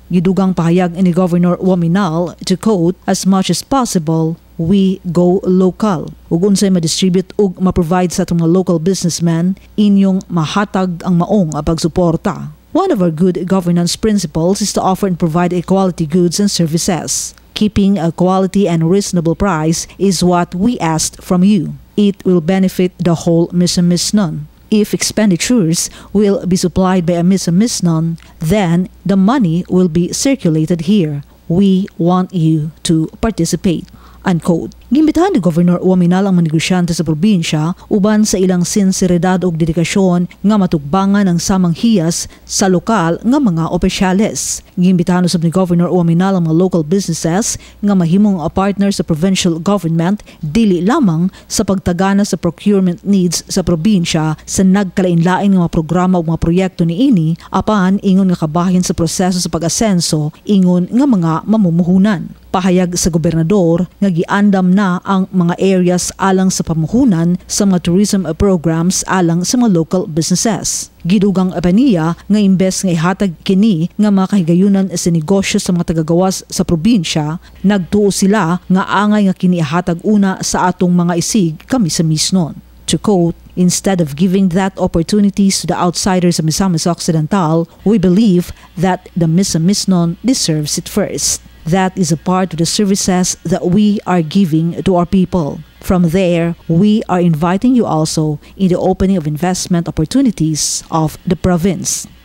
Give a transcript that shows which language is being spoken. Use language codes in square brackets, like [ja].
[ceb] Gidugang pahayag ni Governor Waminal to quote, [en] "As much as possible, we go local." [ceb] Ug unsay ma-distribute ug ma-provide sa atong local businessmen, inyong mahatag ang maong pagsuporta. [en] One of our good governance principles is to offer and provide quality goods and services. Keeping a quality and reasonable price is what we asked from you. It will benefit the whole Misamisnon. If expenditures will be supplied by a Misamisnon, then the money will be circulated here. We want you to participate. [ceb] Unquote. Gimbitahan ni Governor Waminal ang manegosyante sa probinsya uban sa ilang sinseridad o dedikasyon nga matugbangan ang samang hiyas sa lokal nga mga opisyales. Gimbitahan usab ni Governor Waminal ang mga local businesses nga mahimong a partner sa provincial government dili lamang sa pagtagana sa procurement needs sa probinsya sa nagkalainlain nga mga programa o mga proyekto ni ini apan ingon nga kabahin sa proseso sa pag-asenso ingon nga mga mamumuhunan. Pahayag sa gobernador nga giandam na ang mga areas alang sa pamuhunan sa mga tourism programs alang sa mga local businesses. Gidugang apaniya nga imbes nga ihatag kini nga mga kahigayunan sa negosyo sa mga tagagawas sa probinsya, nagtuo sila nga angay nga kini ihatag una sa atong mga isig kami sa Misnon. [en] To quote, "Instead of giving that opportunities to the outsiders of Misamis Occidental, we believe that the Misamisnon deserves it first. That is a part of the services that we are giving to our people. From there, we are inviting you also in the opening of investment opportunities of the province."